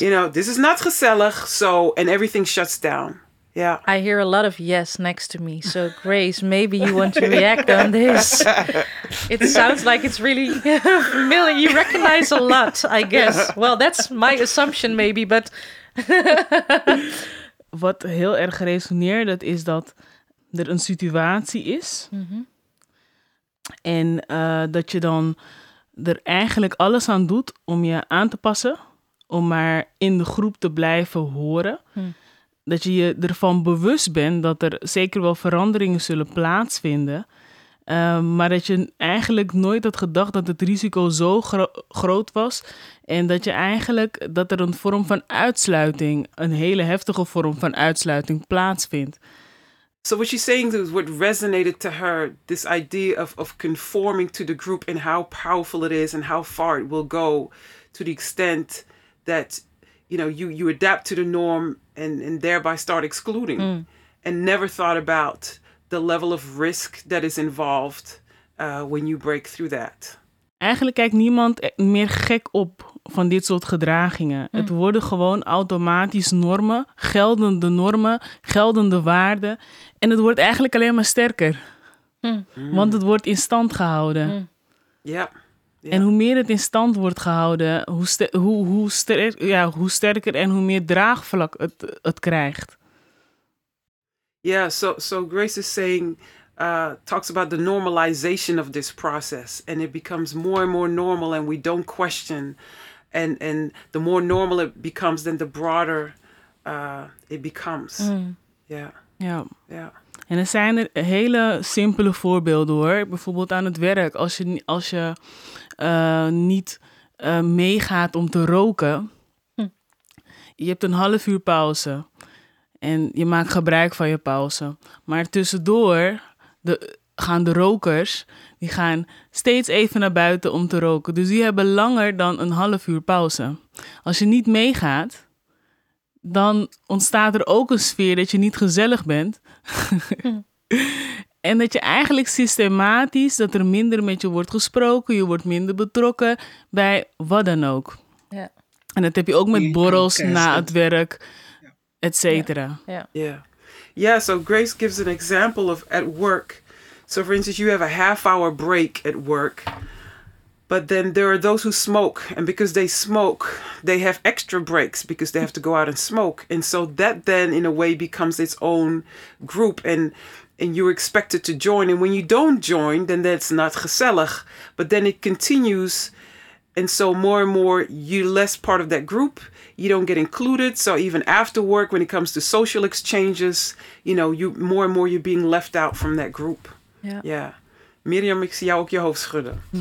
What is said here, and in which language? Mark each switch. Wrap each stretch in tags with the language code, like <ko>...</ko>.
<en>You know, this is not gezellig, so, and everything shuts down. Yeah. I hear a lot of yes next to me. So, Grace, maybe you want to react on this. It sounds like it's really, Millie, you recognize a lot, I guess. Well, that's my assumption maybe, but...</en> <nl>Wat heel erg resoneerde, is dat er een situatie is. En dat je dan er eigenlijk alles aan doet om je aan te passen. Om maar in de groep te blijven horen. Dat je je ervan bewust bent dat er zeker wel veranderingen zullen plaatsvinden. Maar dat je eigenlijk nooit had gedacht dat het risico zo groot was. En dat je eigenlijk dat er een vorm van uitsluiting, een hele heftige vorm van uitsluiting plaatsvindt.</nl> <en>So what she's saying is what resonated to her, this idea of conforming to the group and how powerful it is and how far it will go, to the extent that, you know, you adapt to the norm and thereby start excluding and never thought about the level of risk that is involved when you break through that.</en> <nl>Eigenlijk kijkt niemand meer gek op van dit soort gedragingen. Mm. Het worden gewoon automatisch normen, geldende normen, geldende waarden. En het wordt eigenlijk alleen maar sterker. Want het wordt in stand gehouden. En hoe meer het in stand wordt gehouden, hoe sterker en hoe meer draagvlak het krijgt.</nl> <en>Yeah, so Grace is saying, talks about the normalization of this process, and it becomes more and more normal, and we don't question, and the more normal it becomes, then the broader it becomes.</en> <nl>En er zijn er hele simpele voorbeelden, hoor. Bijvoorbeeld aan het werk, als je niet meegaat om te roken, je hebt een half uur pauze en je maakt gebruik van je pauze, maar tussendoor gaan de rokers, die gaan steeds even naar buiten om te roken. Dus die hebben langer dan een half uur pauze. Als je niet meegaat, dan ontstaat er ook een sfeer dat je niet gezellig bent. En dat je eigenlijk systematisch, dat er minder met je wordt gesproken, je wordt minder betrokken bij wat dan ook. Yeah. En dat heb je ook met borrels na het werk, et cetera.</nl> <en>Yeah, so Grace gives an example of at work. So for instance, you have a half hour break at work, but then there are those who smoke, and because they smoke, they have extra breaks because they have to go out and smoke. And so that then in a way becomes its own group, and you're expected to join. And when you don't join, then that's not gezellig, but then it continues. And so more and more, you're less part of that group. You don't get included. So even after work, when it comes to social exchanges, you know, you more and more you're being left out from that group. Yeah.</en> <nl>Miriam, ik zie jou ook je hoofd schudden.</nl>